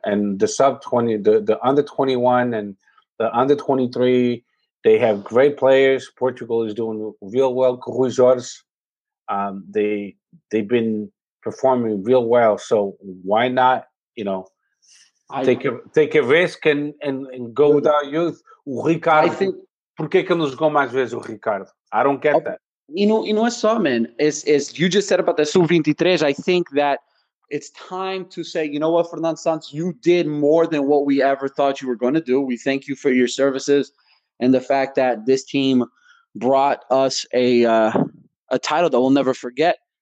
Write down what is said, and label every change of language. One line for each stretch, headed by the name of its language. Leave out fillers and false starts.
English: And the sub 20, the under 21 and the under 23, they have great players. Portugal is doing real well. Cruzeiros, they've been performing real well. So why not, you know, take a risk and go with our youth?
Portuguese: O Ricardo, por que que não jogou mais vezes o Ricardo?
English: I don't get that. You know, so, man, as you just said about the Sub-23, I think that it's time to say, you know what, Fernando Santos, you did more than what we ever thought you were going to do. We thank you for your services. And the fact that this team brought us a title that we'll never forget.